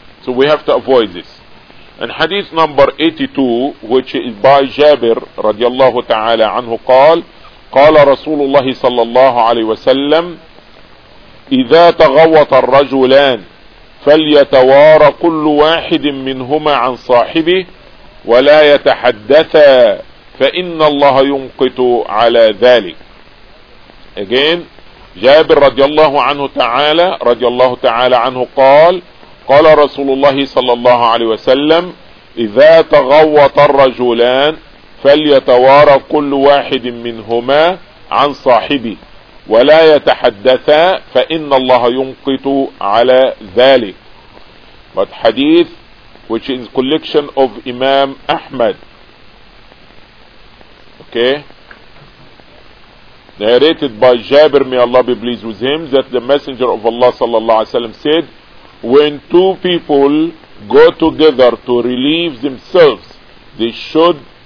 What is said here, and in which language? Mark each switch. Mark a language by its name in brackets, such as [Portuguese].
[English] So we have to avoid this. And hadith number 82, which is by Jabir [Arabic] radiallahu ta'ala anhu, qala Rasulullah sallallahu alayhi wa sallam, إذا تغوط الرجلان فليتوارى كل واحد منهما عن صاحبه ولا يتحدثا فإن الله ينقط على ذلك. Again, جابر رضي الله عنه تعالى رضي الله تعالى عنه قال: قال رسول الله صلى الله عليه وسلم: إذا تغوط الرجلان فليتوارى كل واحد منهما عن صاحبه ولا يتحدثا، فإن الله ينقط على ذلك. [English] But hadith which is collection of Imam Ahmad, okay, narrated by Jabir, may Allah be pleased with him, that the Messenger of Allah sallallahu alaihi wasallam said, when two people go together to relieve themselves, they should